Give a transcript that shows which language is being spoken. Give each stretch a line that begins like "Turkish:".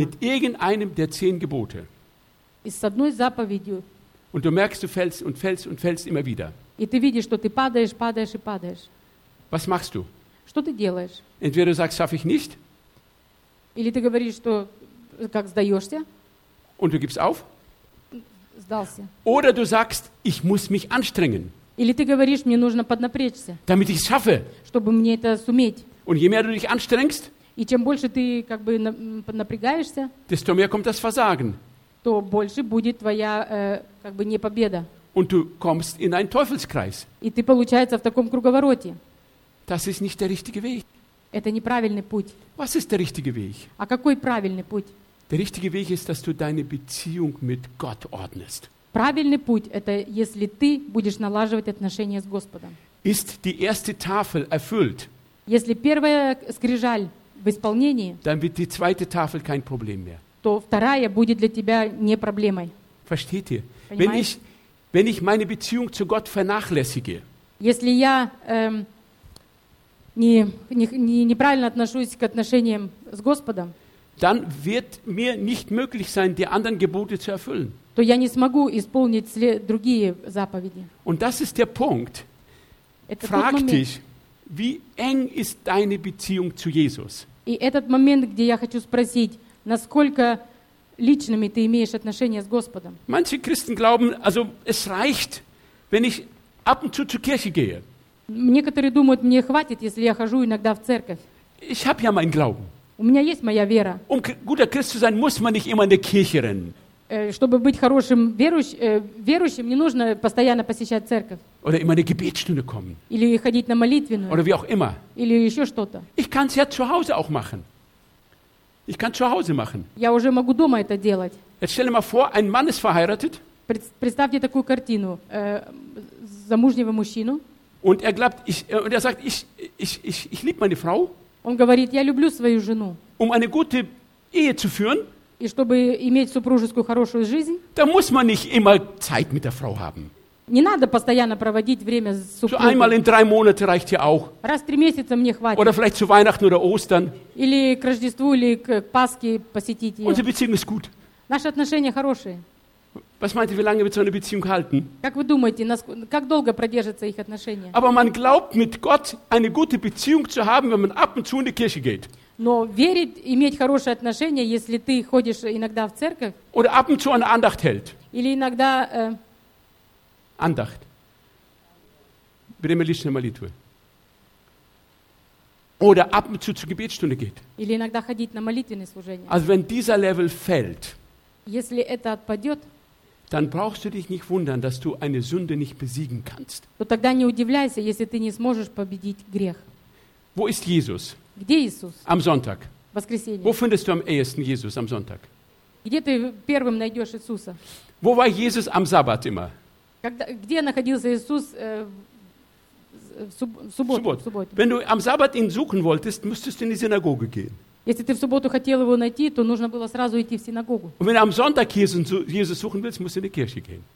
German: mit irgendeinem der 10 Gebote,
Russian: и с одной заповедью,
German: und du merkst, du fällst und fällst und fällst immer wieder,
Russian: и ты видишь, что ты падаешь, падаешь и падаешь,
German: was machst du?
Russian: Что ты делаешь?
German: Entweder du sagst, schaffe ich nicht,
Russian: или ты говоришь, что как сдаешься,
German: und du gibst auf,
Russian: сдался,
German: oder du sagst, ich muss mich anstrengen,
Russian: или ты говоришь, мне нужно поднапрячься,
German: damit ich es schaffe,
Russian: чтобы мне это суметь,
German: und je mehr du dich anstrengst,
Russian: И чем больше ты как бы напрягаешься,
German: desto mehr kommt das Versagen.
Russian: То больше будет твоя как бы не победа.
German: Und du kommst in einen Teufelskreis.
Russian: И ты получается в таком круговороте.
German: Das ist nicht der richtige Weg.
Russian: Это неправильный путь.
German: Was ist der richtige Weg?
Russian: А какой правильный путь?
German: Der richtige Weg ist, dass du deine Beziehung mit Gott ordnest.
Russian: Правильный путь это если ты будешь налаживать отношения с Господом.
German: Ist die erste Tafel erfüllt?
Russian: Если первая скрижаль В исполнении,
German: dann wird die zweite Tafel kein Problem mehr.
Russian: То вторая будет для тебя не проблемой.
German: Versteht ihr? Wenn ich meine Beziehung zu Gott vernachlässige,
Russian: Если я неправильно отношусь к отношениям с Господом,
German: dann wird mir nicht möglich sein, die anderen Gebote zu erfüllen.
Russian: То я не смогу исполнить другие заповеди.
German: Und das ist der Punkt.
Russian: Это
German: Frag dich, wie eng ist deine Beziehung zu Jesus?
Russian: И этот момент, где я хочу спросить, насколько личными ты имеешь отношения с Господом?
German: Manche Christen glauben, also es reicht, wenn ich ab und zu zur Kirche gehe.
Russian: Некоторые думают, мне хватит, если я хожу иногда в церковь.
German: Ich habe ja meinen Glauben.
Russian: У меня есть моя вера.
German: Um guter Christ zu sein, muss man nicht immer in der Kirche rennen.
Russian: Чтобы быть хорошим верующим, не нужно постоянно посещать церковь.
German: Oder immer in eine Gebetsstunde kommen.
Russian: Или ходить на молитвенную.
German: Oder wie auch immer.
Russian: Или еще что-то.
German: Ich kann es ja zu Hause auch machen. Ich kann es zu Hause machen.
Russian: Я уже могу дома это делать.
German: Jetzt stell dir mal vor, ein Mann ist verheiratet.
Russian: Представьте такую картину. Замужнего мужчину.
German: Und er glaubt, ich liebe meine Frau.
Russian: Он говорит, я люблю свою жену.
German: Um eine gute Ehe zu führen.
Russian: И чтобы иметь супружескую хорошую жизнь.
German: Da muss man nicht immer Zeit mit der Frau haben.
Russian: Не надо постоянно проводить время с супругой.
German: So einmal in drei Monate reicht ja auch.
Russian: Раз в три месяца мне хватит.
German: Oder vielleicht zu Weihnachten oder Ostern.
Russian: Или к Рождеству, или к Пасхе посетить ее.
German: Unsere Beziehung ist gut.
Russian: Наши отношения хорошие.
German: Was meint ihr, wie lange wird so eine Beziehung halten?
Russian: Как вы думаете, как долго продержатся их отношения?
German: Aber man glaubt, mit Gott eine gute Beziehung zu haben, wenn man ab und zu in die Kirche geht.
Russian: Но верить, иметь хорошие отношения, если ты ходишь иногда в церковь.
German: Oder ab und zu eine Andacht hält.
Russian: Или иногда... Andacht. Время личной молитвы.
German: Oder ab und zu zur Gebetsstunde geht.
Russian: Или иногда ходить на молитвенное служение.
German: Also wenn dieser Level fällt,
Russian: если это отпадет,
German: dann brauchst du dich nicht wundern, dass du eine Sünde nicht besiegen kannst.
Russian: То тогда не удивляйся, если ты не сможешь победить грех.
German: Wo ist Jesus?
Russian: Где Иисус?
German: Am Sonntag.
Russian: Воскресенье.
German: Wo findest du am ehesten Jesus am Sonntag?
Russian: Где ты первым найдешь Иисуса?
German: Wo war Jesus am Sabbat immer?
Russian: Где находился Иисус в субботу?
German: Wenn du am Sabbat ihn suchen wolltest, müsstest du in die Synagoge gehen.
Russian: Если ты в субботу хотел его найти, то нужно было сразу идти в синагогу.
German: Und wenn du am Sonntag Jesus suchen willst, musst du in die Kirche gehen.